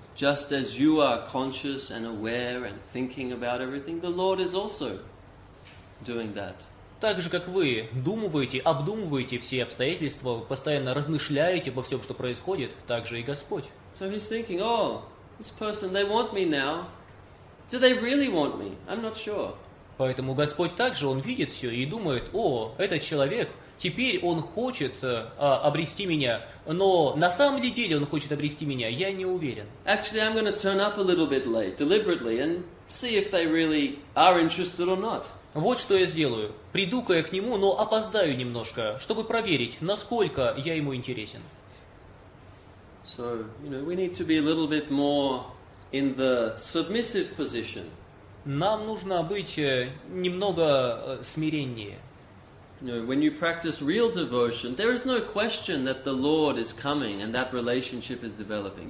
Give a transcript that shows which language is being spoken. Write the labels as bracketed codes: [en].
[en] Just as you are conscious and aware and thinking about everything, the Lord is also doing that. [ru] Так же, как вы думываете, обдумываете все обстоятельства, постоянно размышляете обо всем, что происходит, так же и Господь. [en] So he's thinking, oh, this person, they want me now. Do they really want me? I'm not sure. [ru] Поэтому Господь также, он видит все и думает, о, этот человек, теперь он хочет обрести меня, но на самом деле он хочет обрести меня, я не уверен. [en] Actually, I'm going to turn up a little bit late, deliberately, and see if they really are interested or not. [ru] Вот что я сделаю. Приду-ка я к нему, но опоздаю немножко, чтобы проверить, насколько я ему интересен. [en] So, we need to be a little bit more in the submissive position. [ru] Нам нужно быть немного смиреннее. [en] When you practice real devotion, there is no question that the Lord is coming and that relationship is developing.